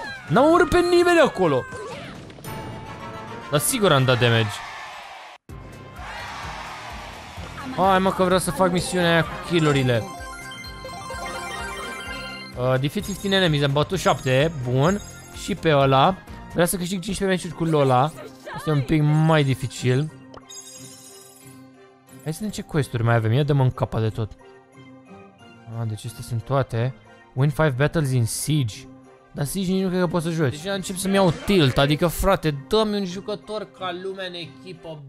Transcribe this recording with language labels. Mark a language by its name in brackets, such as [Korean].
[Romanian] N-am urât pe nimeni acolo! Dar sigur am dat damage. Hai mă că vreau să fac misiunea aia cu kill-urile. [English] Defeat 15 enemies, [Romanian] am bătut 7, bun. Și pe ăla. Vreau să câștig 15 meciuri cu Lola. Este un pic mai dificil. Hai să vedem ce quest-uri mai avem. Ia dăm în capa de tot. Deci astea sunt toate. [English] Win 5 battles in Siege. [Romanian] Dar Siege nici nu cred că poți să joci. Deja încep să-mi iau tilt. Adică frate, dă-mi un jucător ca lumea în echipă.